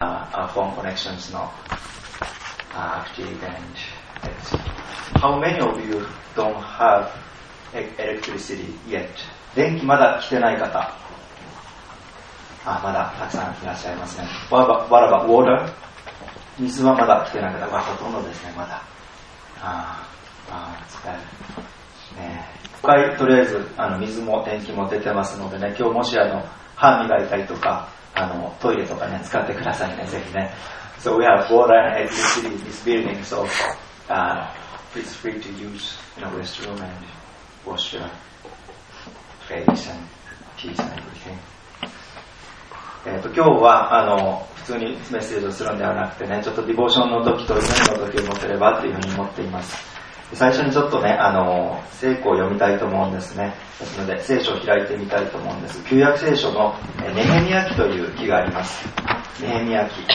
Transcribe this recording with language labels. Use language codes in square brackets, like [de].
[en] phone connections not active, and it's, how many of you don't have electricity yet? [ja] 電気まだ来てない方。まだたくさんいらっしゃいますね。 [en] What about water? [ja] 水はまだ来てない方。ほとんどですね、まだ。疲れる。ね、一回とりあえず水も電気も出てますのでね、今日もし歯磨いたりとか、トイレとかね、使ってくださいね、ぜひね。 [en] So we have water and electricity in this building, so please free to use in a restroom and wash your face and teeth and everything. [ja] 今日は普通にメッセージをするんではなくてね、ちょっとディボーションの時と祈りの時を持てればというふうに思っています。最初にちょっとね、聖句を読みたいと思うんですね。ですので、聖書を開いてみたいと思うんです。旧約聖書のネヘミヤ記という記があります。ネヘミヤ記。